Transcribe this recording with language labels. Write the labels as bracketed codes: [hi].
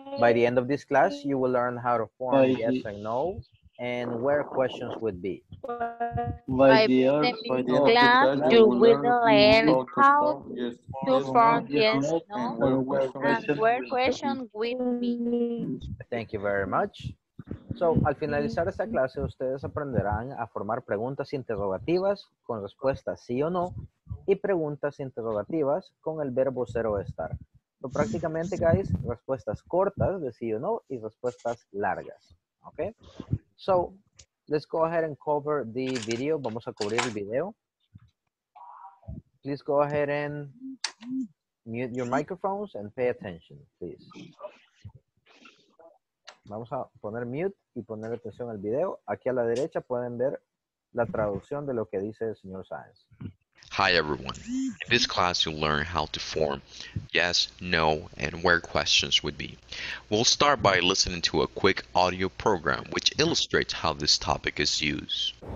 [en] By the end of this class, you will learn how to form yes and no, and where questions would be. By the end of this class, you will learn how to form yes and no, and where questions would be. Thank you very much. [es] So, al finalizar esta clase, ustedes aprenderán a formar preguntas interrogativas con respuesta sí o no y preguntas interrogativas con el verbo ser o estar. So, prácticamente, guys, respuestas cortas de sí o no y respuestas largas. [en] Okay? So, let's go ahead and cover the video. [es] Vamos a cubrir el video. [en] Please go ahead and mute your microphones and pay attention, please. [es] Vamos a poner mute y poner atención al video. Aquí a la derecha pueden ver la traducción de lo que dice el señor Sáenz. [en] Hi, everyone. In this class, you'll learn how to form yes, no, and where questions would be. We'll start by listening to a quick audio program which illustrates how this topic is used.